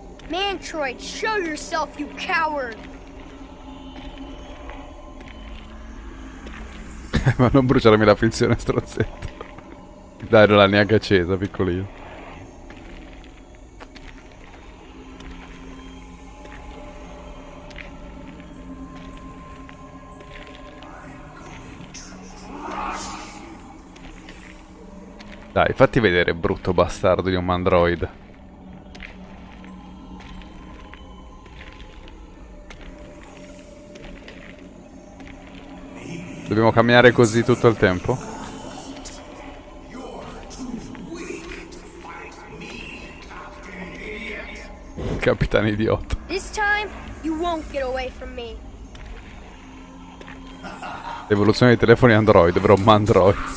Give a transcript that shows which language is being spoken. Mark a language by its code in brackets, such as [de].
[en] Mantroid, show yourself, you coward! [it] Ma non bruciarmi la finzione, strozzetto. Dai, non l'ha neanche accesa, piccolino. Dai, fatti vedere, brutto bastardo di un mandroid. Dobbiamo camminare così tutto il tempo? Capitano idiota. [en] This time you won't get away from me. [it] Evoluzione dei telefoni Android, bro, mandroid.